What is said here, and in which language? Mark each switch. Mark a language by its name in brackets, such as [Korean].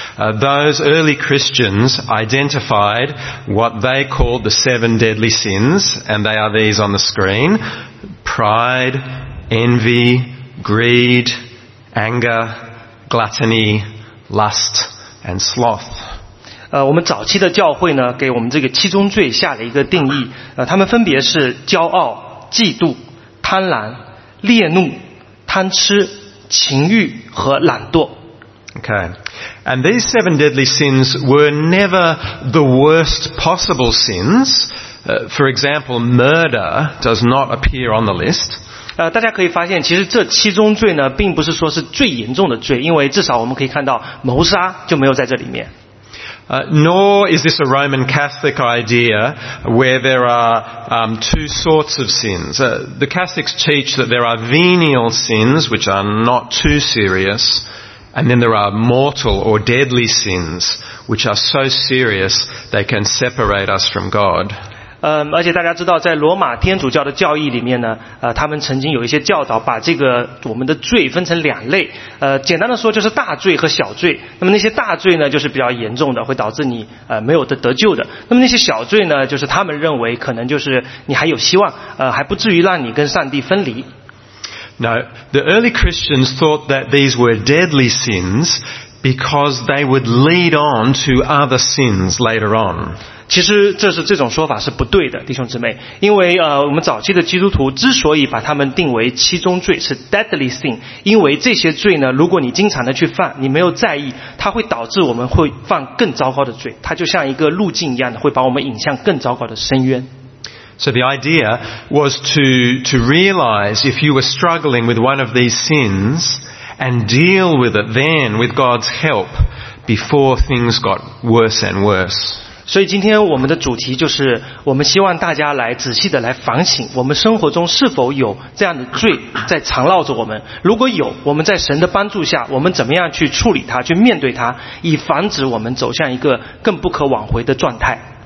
[English] Those early Christians identified what they called the seven deadly sins, and they are these on the screen. Pride, envy, greed, anger, gluttony, lust, and sloth. [Chinese] 我们早期的教会呢，给我们这个七宗罪下了一个定义。他们分别是骄傲、嫉妒、贪婪、烈怒、贪吃、情欲和懒惰。 [English] Okay. And these seven deadly sins were never the worst possible sins. For example, murder does not appear on the list. [Chinese] 大家可以发现其实这七宗罪呢并不是说是最严重的罪，因为至少我们可以看到谋杀就没有在这里面。 [English] Nor is this a Roman Catholic idea where there are two sorts of sins. The Catholics teach that there are venial sins, which are not too serious, and then there are mortal or deadly sins, which are so serious they can separate us from God. [Chinese] 而且大家知道在罗马天主教的教义里面呢他们曾经有一些教导把这个我们的罪分成两类简单的说就是大罪和小罪那么那些大罪呢就是比较严重的会导致你没有得救的那么那些小罪呢就是他们认为可能就是你还有希望还不至于让你跟上帝分离 [English] Now, the early Christians thought that these were deadly sins because they would lead on to other sins later on [Chinese] 其实这种说法是不对的，弟兄姊妹，因为我们早期的基督徒之所以把他们定为七宗罪是 deadly sin， 因为这些罪呢，如果你经常的去犯，你没有在意，它会导致我们会犯更糟糕的罪，它就像一个路径一样的，会把我们引向更糟糕的深渊。 [English] So the idea was to realize if you were struggling with one of these sins and deal with it then with God's help before things got worse and worse. [Chinese] 所以今天我们的主题就是我们希望大家来仔细的来反省我们生活中是否有这样的罪在缠绕着我们如果有我们在神的帮助下我们怎么样去处理它去面对它以防止我们走向一个更不可挽回的状态